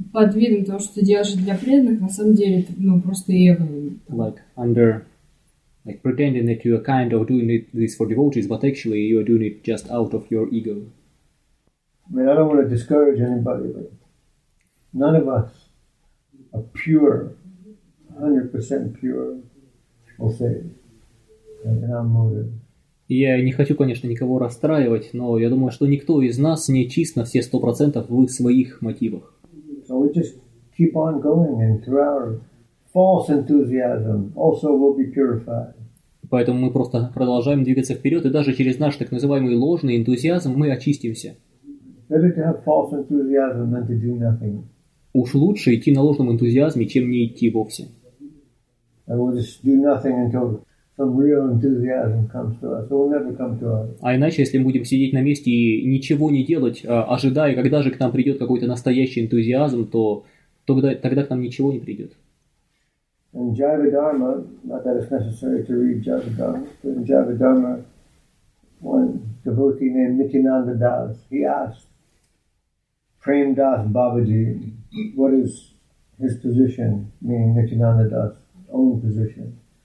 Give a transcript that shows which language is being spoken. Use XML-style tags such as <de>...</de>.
<ru>под видом того, что ты делаешь для преданных, на самом деле это, ну, просто эго.</ru> <en>Like under, like pretending that you are kind of doing it this for devotees, but actually you are doing it just out of your ego. I mean, I don't want to discourage anybody, but none of us are pure, 100% pure, we'll say, in our motive.</en> <ru>Я не хочу, конечно, никого расстраивать, но я думаю, что никто из нас не чист на все 100% в своих мотивах.</ru> <en>So we just keep on going, and through our false enthusiasm also will be purified.</en> <ru>Поэтому мы просто продолжаем двигаться вперед, и даже через наш так называемый ложный энтузиазм мы очистимся.</ru> <en>Better to have false enthusiasm than to do nothing.</en> <ru>Уж лучше идти на ложном энтузиазме, чем не идти вовсе.</ru> <en>And we'll just do nothing until some real enthusiasm comes to us. It will never come to us.</en> <ru>А иначе, если мы будем сидеть на месте и ничего не делать, ожидая, когда же к нам придет какой-то настоящий энтузиазм, то тогда к нам ничего не придет.</ru> <en>In Jiva Dharma, not that it's necessary to read Jiva Dharma, but in Jiva Dharma, one devotee named Nityananda Das, he asked Prem Das Babaji, what is his position, meaning Nityananda Das' own position.</en>